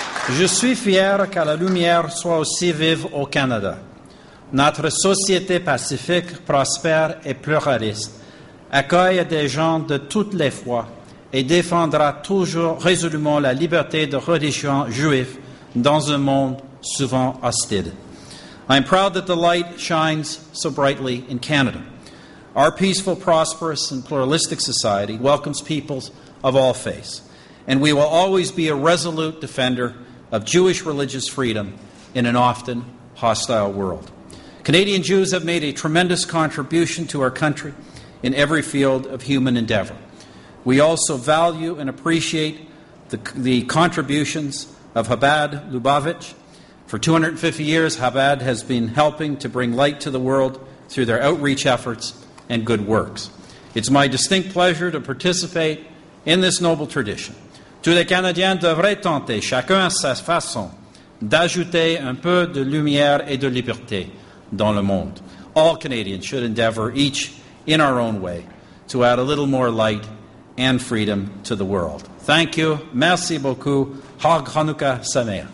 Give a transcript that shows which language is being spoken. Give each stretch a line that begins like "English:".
French: Je suis fier que la lumière soit aussi vive au Canada. Notre société pacifique, prospère et pluraliste accueille des gens de toutes les fois et défendra toujours résolument la liberté de religion juive dans un monde souvent hostile.
English: I am proud that the light shines so brightly in Canada. Our peaceful, prosperous, and pluralistic society welcomes peoples of all faiths, and we will always be a resolute defender of Jewish religious freedom in an often hostile world. Canadian Jews have made a tremendous contribution to our country in every field of human endeavor. We also value and appreciate the contributions of Chabad Lubavitch. For 250 years, Chabad has been helping to bring light to the world through their outreach efforts and good works. It's my distinct pleasure to participate in this noble tradition.
French: Tous les Canadiens devraient tenter, chacun à sa façon, d'ajouter un peu de lumière et de liberté dans le monde.
English: All Canadians should endeavor, each in our own way, to add a little more light and freedom to the world. Thank you.
French: Merci beaucoup.
Hebrew: Chag Hanukkah Sameach.